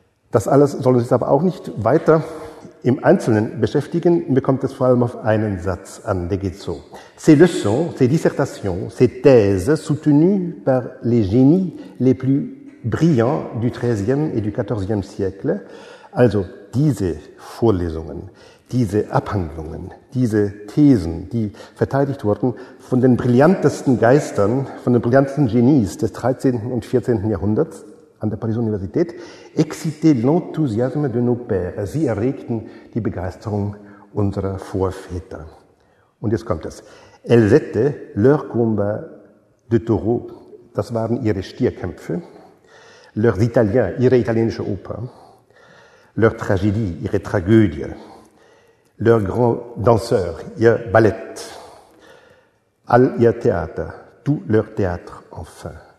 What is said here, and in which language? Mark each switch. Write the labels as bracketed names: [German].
[German] Das alles soll uns jetzt aber auch nicht weiter im Einzelnen beschäftigen. Mir kommt es vor allem auf einen Satz an, der geht so. [French] Ces leçons, ces dissertations, ces thèses soutenues par les génies les plus brillants du XIIIe et du XIVe siècle. [German] Also diese Vorlesungen, diese Abhandlungen, diese Thesen, die verteidigt wurden von den brillantesten Geistern, von den brillantesten Genies des 13. und 14. Jahrhunderts an der Pariser Universität, [French] excitaient l'enthousiasme de nos pères. [German] Sie erregten die Begeisterung unserer Vorväter. Und jetzt kommt es. [French] Elles étaient leurs combats de taureau. [German] Das waren ihre Stierkämpfe. [French] Leurs italiens, [German] ihre italienische Oper. [French] Leur tragédie, [German] ihre Tragödie. [French] Leur grand danseur, [German] ihr Ballett, all ihr Theater, [French] tout leur théâtre enfin.